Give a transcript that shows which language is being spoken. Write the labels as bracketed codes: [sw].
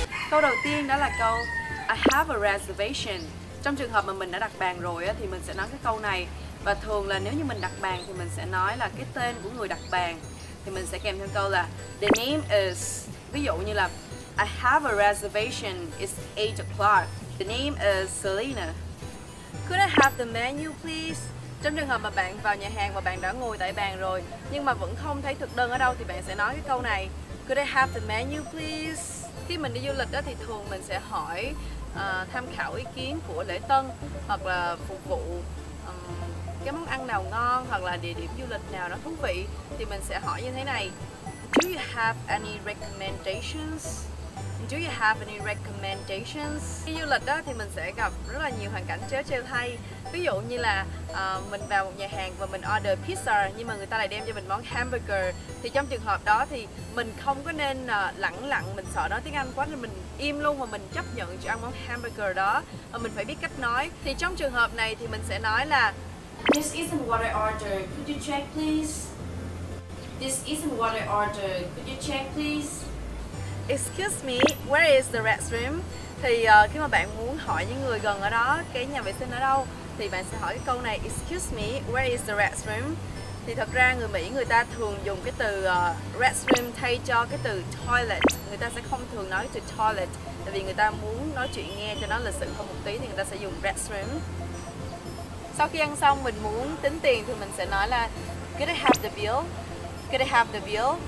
[vi] Câu đầu tiên đó là câu [en] I have a reservation. [vi] Trong trường hợp mà mình đã đặt bàn rồi thì mình sẽ nói cái câu này. Và thường là nếu như mình đặt bàn thì mình sẽ nói là cái tên của người đặt bàn. Thì mình sẽ kèm thêm câu là [en] the name is. [vi] Ví dụ như là [en] I have a reservation, it's 8 o'clock. The name is Selena. Could I have the menu please? [vi] Trong trường hợp mà bạn vào nhà hàng và bạn đã ngồi tại bàn rồi nhưng mà vẫn không thấy thực đơn ở đâu thì bạn sẽ nói cái câu này. [en] Could I have the menu please? [vi] Khi mình đi du lịch đó thì thường mình sẽ hỏi tham khảo ý kiến của lễ tân hoặc là phục vụ cái món ăn nào ngon hoặc là địa điểm du lịch nào nó thú vị thì mình sẽ hỏi như thế này. [en] Do you have any recommendations? Do you have any recommendations? [vi] Khi du lịch đó thì mình sẽ gặp rất là nhiều hoàn cảnh trớ trêu thay. Ví dụ như là mình vào một nhà hàng và mình order pizza nhưng mà người ta lại đem cho mình món hamburger. Thì trong trường hợp đó thì mình không có nên lẳng lặng, mình sợ nói tiếng Anh quá nên mình im luôn và mình chấp nhận cho ăn món hamburger đó. Và mình phải biết cách nói. Thì trong trường hợp này thì mình sẽ nói là [en] This isn't what I ordered, could you check please? This isn't what I ordered, could you check please? Excuse me, where is the restroom? [vi] Thì khi mà bạn muốn hỏi những người gần ở đó, cái nhà vệ sinh ở đâu thì bạn sẽ hỏi cái câu này. [en] Excuse me, where is the restroom? [vi] Thì thật ra người Mỹ người ta thường dùng cái từ restroom thay cho cái từ toilet. Người ta sẽ không thường nói từ toilet, tại vì người ta muốn nói chuyện nghe cho nó lịch sự hơn một tí thì người ta sẽ dùng restroom. Sau khi ăn xong mình muốn tính tiền thì mình sẽ nói là [en] Could I have the bill? [vi] Could I have the bill?